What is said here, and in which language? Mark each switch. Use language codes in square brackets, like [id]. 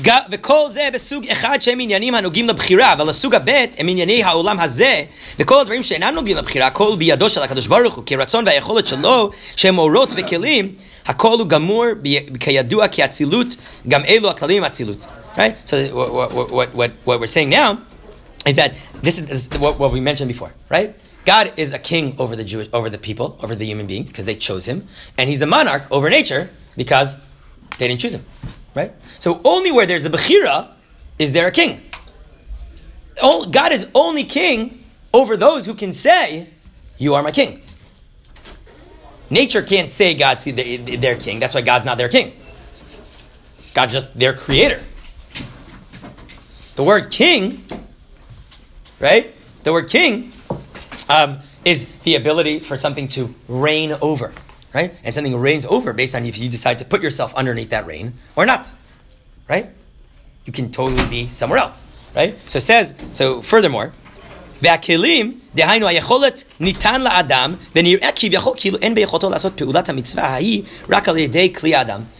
[he] וכל זה בסוג אחד שהם עניינים הנוגעים לבחירה, אבל הסוג הבית הם ענייני העולם הזה, וכל הדברים שאינם נוגעים לבחירה, הכל בידו של הקדוש ברוך הוא, כרצון והיכולת שלו, שהם אורות וכלים, הכל הוא גמור, כידוע, כאצילות, גם אלו הכללים אצילות. [en] Right? So what we're saying now is that this is what we mentioned before, right? God is a king over the Jewish, over the people, over the human beings, because they chose him, and he's a monarch over nature, because they didn't choose him. Right? So only where there's a Bechira is there a king. God is only king over those who can say, you are my king. Nature can't say God's their king. That's why God's not their king. God's just their creator. The word king, right? The word king is the ability for something to reign over. Right? And something reigns over based on if you decide to put yourself underneath that reign or not. Right? You can totally be somewhere else. Right? [he] So it says, so furthermore, והכלים, דהיינו, היכולת ניתן לאדם, ונראה כביכול כאילו אין ביכולתו לעשות פעולת המצווה ההיא רק על ידי כלי אדם.